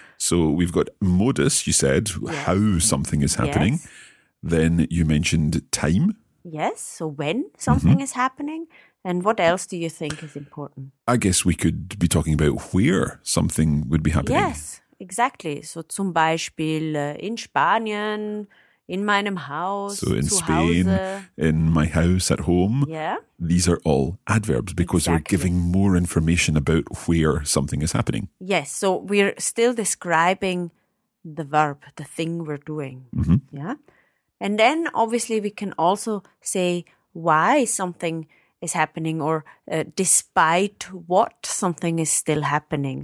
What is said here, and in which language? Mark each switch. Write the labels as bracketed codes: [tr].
[en] So we've got modus, you said, yes. How something is happening. Yes. Then you mentioned time. Yes, so when something mm-hmm. is happening. And what else do you think is important? I guess we could be talking about where something would be happening. Yes, exactly. [de] So zum Beispiel in Spanien, in meinem Haus, [en] so in Spain, in my house, at home. Yeah. These are all adverbs because exactly. they're giving more information about where something is happening. Yes. So we're still describing the verb, the thing we're doing. Mm-hmm. Yeah. And then obviously we can also say why something is happening or despite what something is still happening.